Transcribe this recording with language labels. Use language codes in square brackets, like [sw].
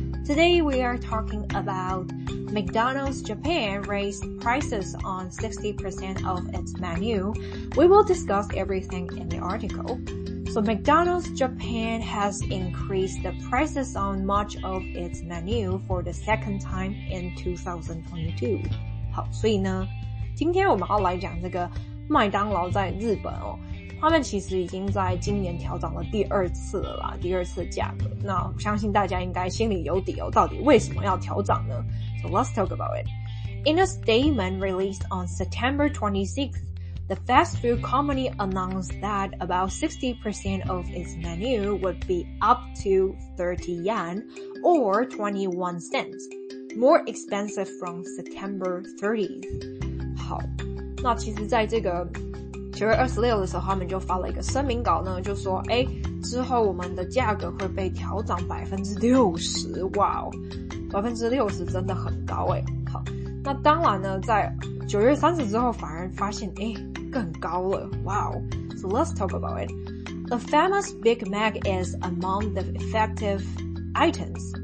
[en] Today we are talking about McDonald's Japan raised prices on 60% of its menu. We will discuss everything in the article. So McDonald's Japan has increased the prices on much of its menu for the second time in 2022. [zh] 好，所以呢，今天我们要来讲这个麦当劳在日本哦，他们其实已经在今年调涨了第二次了啦，第二次价格。那相信大家应该心里有底哦，到底为什么要调涨呢？ [en] So let's talk about it. In a statement released on September 26th, the fast food company announced that about 60% of its menu would be up to 30 yen or 21 cents. More expensive from September 30th. [zh] 好，那其实在这个9月26的时候，他们就发了一个声明稿呢，就说，诶，之后我们的价格会被调涨 60%, 哇哦 ,60% 真的很高诶。好，那当然呢，在9月30之后反而发现，诶，更高了，哇哦。 [en] So let's talk about it. The famous Big Mac is among the effective items.